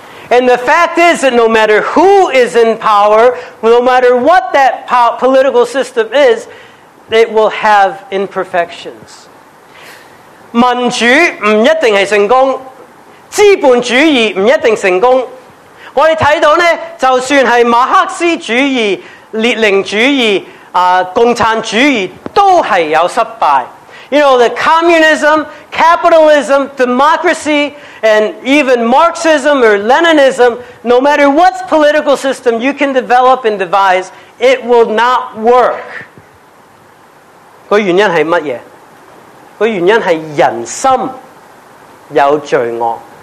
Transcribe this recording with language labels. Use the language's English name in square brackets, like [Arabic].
[English] And the fact is that no matter who is in power, no matter what that political system is, it will have imperfections. [Chinese] 民主不一定是成功,资本主义不一定成功。我们看到呢,就算是马克思主义、列宁主义、共产主义都是有失败。 [English] You know, the communism, capitalism, democracy, and even Marxism or Leninism, no matter what political system you can develop and devise, it will not work. [Chinese] 那原因是什么?那原因是人心有罪恶。